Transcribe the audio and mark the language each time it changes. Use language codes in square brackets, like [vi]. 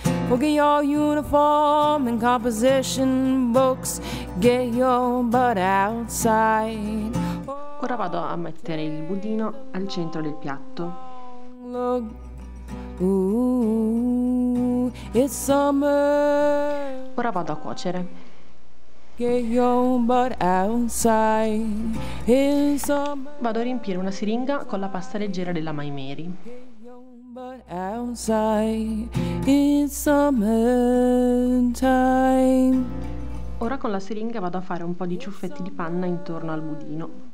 [en] Get your uniform and composition books. Get your butt outside. [it] Ora vado a mettere il budino al centro del piatto. [en] Ooh, it's summer. [it] Ora vado a cuocere. [en] Get your butt outside. It's summer. [it] Vado a riempire una siringa con la pasta leggera della My Mary. [en] Outside, it's summertime. [it] Ora con la siringa vado a fare un po' di ciuffetti di panna intorno al budino.